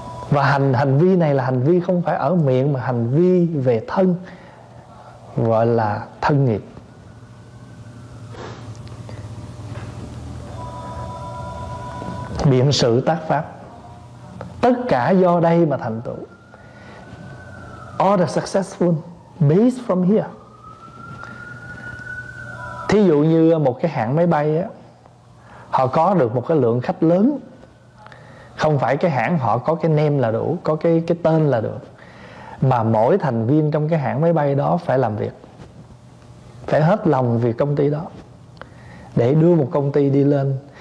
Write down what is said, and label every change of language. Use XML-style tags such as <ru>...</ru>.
<vi>Và hành vi này là hành vi không phải ở miệng, mà hành vi về thân, gọi là thân nghiệp. Biện sự tác pháp, tất cả do đây mà thành tựu.</vi> <en>All the successful based from here.</en> <vi>Thí dụ như một cái hãng máy bay á, họ có được một cái lượng khách lớn, không phải cái hãng họ có cái name là đủ, có cái tên là được, mà mỗi thành viên trong cái hãng máy bay đó phải làm việc, phải hết lòng vì công ty đó để đưa một công ty đi lên.</vi>